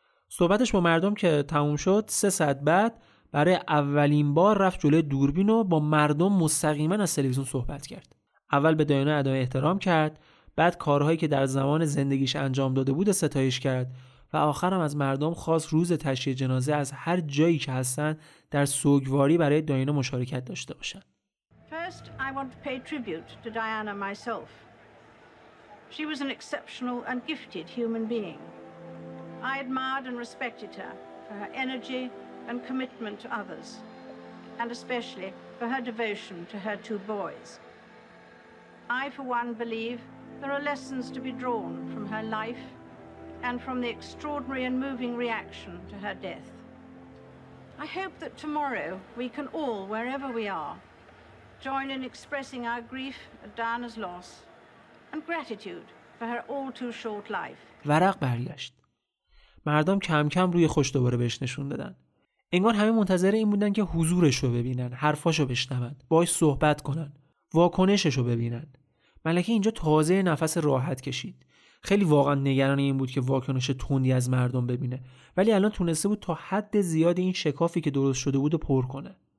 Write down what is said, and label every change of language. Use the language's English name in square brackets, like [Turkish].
[Persian] صحبتش با مردم که تموم شد، 3 ساعت بعد برای اولین بار رفت جلوی دوربین و با مردم مستقیما از تلویزیون صحبت کرد. اول به دایانا ادای احترام کرد، بعد کارهایی که در زمان زندگیش انجام داده بود ستایش کرد و آخرم از مردم خواست روز تشییع جنازه از هر جایی که هستن در سوگواری برای دایانا مشارکت داشته باشن. [English] First, I want to pay tribute to Diana myself. She was an exceptional and gifted human being. I admired and respected her for her energy and commitment to others, and especially for her devotion to her 2 boys. I, for one, believe there are lessons to be drawn from her life and from the extraordinary and moving reaction to her death. I hope that tomorrow we can all, wherever we are, join in expressing our grief at Diana's loss and gratitude for her all too short life. [Persian] ورق برگشت. مردم کم کم روی خوش دوباره بهش نشون دادن. انگار همه منتظر این بودن که حضورش رو ببینن، حرفاشو بشنون، باهاش صحبت کنن، واکنششو ببینن. ملکه اینجا تازه نفس راحت کشید. خیلی واقعا نگران این بود که واکنش تندی از مردم ببینه، ولی الان تونسته بود تا حد زیاد این شکافی که درست شده بود رو پر کنه.